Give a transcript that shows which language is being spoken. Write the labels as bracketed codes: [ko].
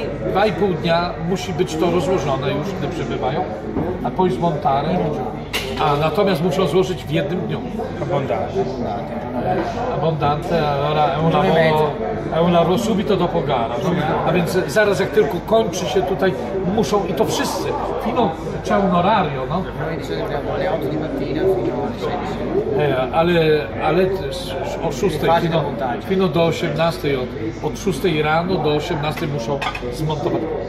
[pl] Dwa i pół dnia musi być to rozłożone już, gdy przybywają, a poi zmontare. A natomiast muszą złożyć w jednym dniu. [it] Abbondante. Allora è un lavoro subito dopo gara. [pl] A więc zaraz jak tylko kończy się tutaj, muszą, i to wszyscy, [it] fino, c'è un orario, no? Noi di solito abbiamo le 8 di mattina fino alle 16. [pl] Ale o 6 fino do 18, od 6 rano do 18 muszą zmontować.